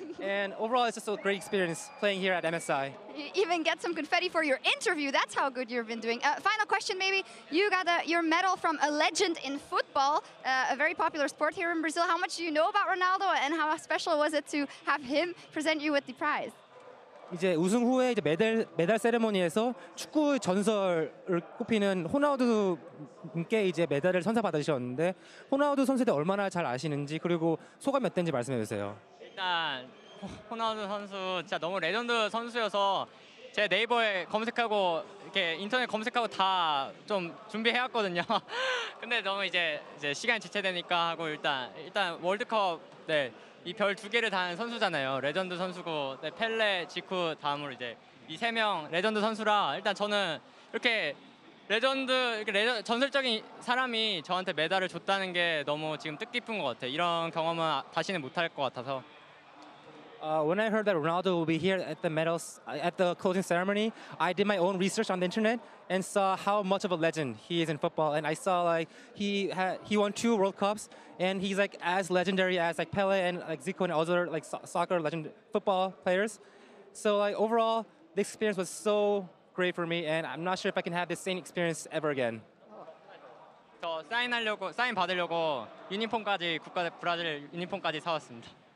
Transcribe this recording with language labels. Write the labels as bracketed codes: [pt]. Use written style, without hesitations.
[en] And overall, it's just a great experience playing here at MSI. You even get some confetti for your interview. That's how good you've been doing. Final question, maybe. You got your medal from a legend in football, a very popular sport here in Brazil. How much do you know about Ronaldo, and how special was it to have him present you with the prize? [ko] 이제 우승 후에 이제 메달 세레모니에서 축구 전설을 꼽히는 호나우두님께 이제 메달을 선사받으셨는데 호나우두 선수에 대해 얼마나 잘 아시는지 그리고 소감이 어땠는지 말씀해 주세요. 일단 호나우두 선수 진짜 너무 레전드 선수여서 제 네이버에 검색하고 이렇게 인터넷 검색하고 다 좀 준비해 왔거든요. 근데 너무 이제 시간 지체되니까 하고 일단 월드컵 네. 이 별 두 개를 단 선수잖아요. 레전드 선수고 네, 펠레, 지쿠 다음으로 이제 이 세 명 레전드 선수라 일단 저는 이렇게 레전드 이렇게 전설적인 사람이 저한테 메달을 줬다는 게 너무 지금 뜻깊은 것 같아요. 이런 경험은 다시는 못할 것 같아서. [en] When I heard that Ronaldo will be here at the medals at the closing ceremony, I did my own research on the internet and saw how much of a legend he is in football. And I saw like he won two World Cups, and he's like as legendary as like Pele and like Zico and other like soccer legend football players. So like overall, the experience was so great for me, and I'm not sure if I can have the same experience ever again. [ko] 저 사인 받으려고 유니폼까지 국가 브라질 유니폼까지 사왔습니다.